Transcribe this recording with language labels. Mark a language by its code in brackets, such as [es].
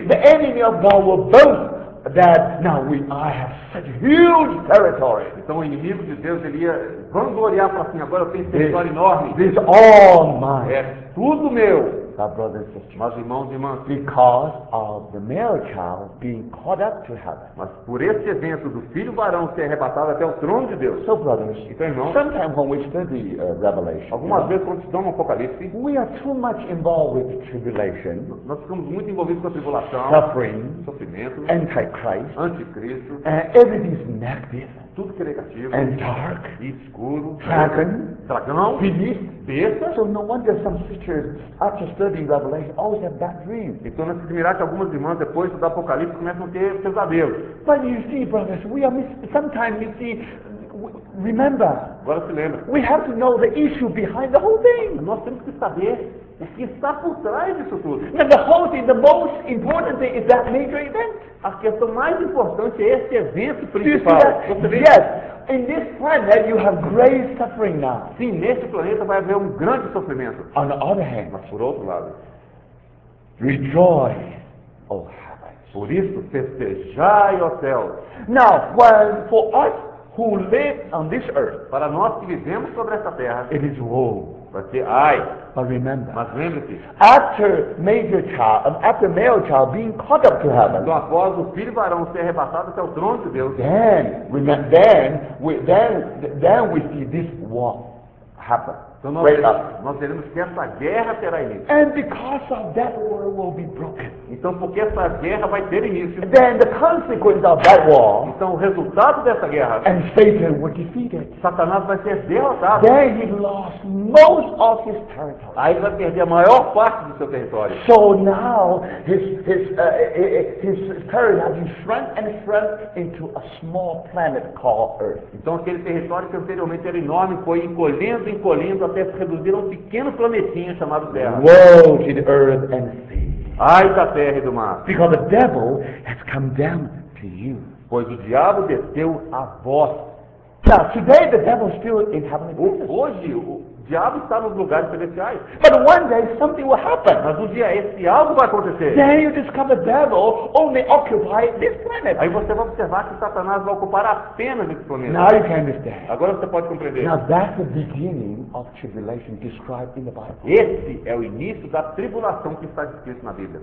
[en] the enemy of God will boast that now I have such huge territory. [pt] Então o inimigo de Deus ele ia vangloriar para assim, agora eu tenho esse território enorme. [en] This all mine. [pt] É tudo meu. [en] Our brothers and sisters. [pt] Mas irmãos e irmãs, [en] because of the male child being caught up to heaven. [pt] Mas por esse evento do filho varão ser arrebatado até o trono de Deus. [en] So brothers, [pt] então irmãos, [en] sometimes when we study Revelation, [pt] algumas vezes quando estudamos Apocalipse, [en] we are too much involved with tribulation. [pt] Nós ficamos muito envolvidos com a tribulação, [en] suffering, [pt] sofrimento, [en] antichrist, [pt] anticristo, [en] everything is negative. [pt] Tudo que é negativo. [en] And dark. [pt] E escuro. [en] Dragon. [pt] Dragão. [en] Beast. [pt] Besta. [en] So no wonder some sisters, after studying Revelation, always have bad dreams. [pt] Então não se admirar que algumas irmãs, depois do Apocalipse, começam a ter pesadelos. [en] But you see, brothers, we are sometimes you see. Remember. [pt] Agora se lembra. [en] We have to know the issue behind the whole thing. [pt] Nós temos que saber o que está por trás disso tudo. [en] And the whole the most important thing is that major event. [pt] A questão mais importante é esse evento principal. [en] Yes, in this planet you have great suffering now. [pt] Sim, nesse planeta vai haver grande sofrimento. [en] On the other hand, [pt] mas por outro lado, [en] rejoice, oh heavens. [pt] Por isso, festejai, ó céus. [en] Now, well, for us who live on this earth, [pt] para nós que vivemos sobre esta terra, [en] it is woe. [pt] Vai ser ai. [en] But remember, [pt] mas lembre-se, [en] after major child, after male child being caught up to heaven, [pt] então após o filho varão ser arrebatado até o trono de Deus, [en] then we see this war happen. [pt] Então nós, [en] right, [pt] nós veremos que essa guerra terá início. [en] And because of that war will be broken. [pt] Então porque essa guerra vai ter início. [en] And then the consequence of that war. [pt] Então o resultado dessa guerra. [en] And Satan will defeat it. [pt] Satanás vai ser derrotado. [en] Then he lost most of his territory. [pt] Aí vai perder a maior parte do seu território. [en] So now his territory has been shrunk and shrunk into a small planet called Earth. [pt] Então aquele território que anteriormente era enorme foi encolhendo, encolhendo, até se reduzir a um pequeno planetinho chamado Terra. [en] Woe to the earth and sea. [pt] Ai da terra e do mar. [en] Because the devil has come down to you. [pt] Pois o diabo desceu a vós. [en] Now, today the devil is still in heavenly places. [pt] Hoje o diabo está nos lugares celestiais. [en] But one day something will happen. [pt] Mas um dia esse algo vai acontecer. [en] Then you discover the devil only occupy this planet. [pt] Aí você vai observar que Satanás vai ocupar apenas esse planeta. [en] Now you can understand. [pt] Agora você pode compreender. [en] Now that's the beginning of tribulation described in the Bible. [pt] Esse é o início da tribulação que está descrito na Bíblia.